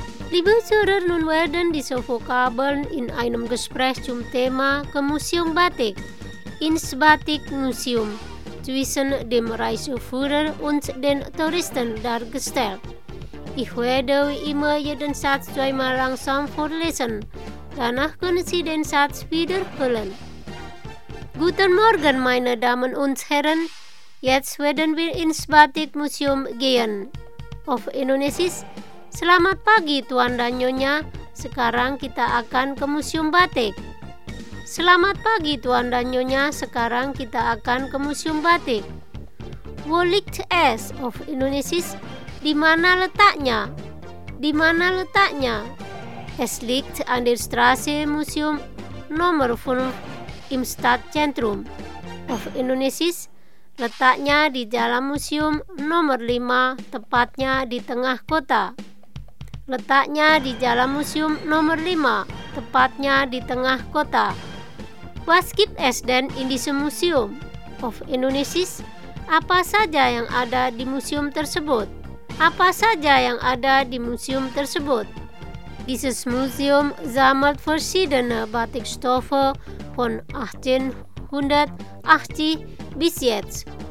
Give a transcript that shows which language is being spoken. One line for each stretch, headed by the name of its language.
German: Liebe Zuhörer, nun werden diese Vokabeln in einem Gespräch zum Thema ke Museum Batik, ins Batik Museum, zwischen dem Reiseführer und den Touristen dargestellt. Ich werde immer jeden Satz zweimal langsam vorlesen, danach können Sie den Satz wiederholen. Guten Morgen, meine Damen und Herren, jetzt werden wir ins Batik Museum gehen. Auf Indonesia.
Indonesian: Selamat pagi Tuan dan Nyonya, sekarang kita akan ke Museum Batik. Selamat pagi Tuan dan Nyonya, sekarang kita akan ke Museum Batik.
German: Wo liegt es auf Indonesisch?
Indonesian: Di mana letaknya? Di mana letaknya?
German: Es liegt an der Straße Museum Nomor 5 im Stadtzentrum. Auf Indonesisch?
Indonesian: Letaknya di dalam museum nomor 5, tepatnya di tengah kota. Letaknya di dalam museum nomor 5, tepatnya di tengah kota.
German: Was gibt es denn in diesem Museum? Of Indonesisch?
Indonesian: Apa saja yang ada di museum tersebut? Apa saja yang ada di museum tersebut?
German: Dieses Museum sammelt verschiedene Batikstoffe von 1880 bis jetzt.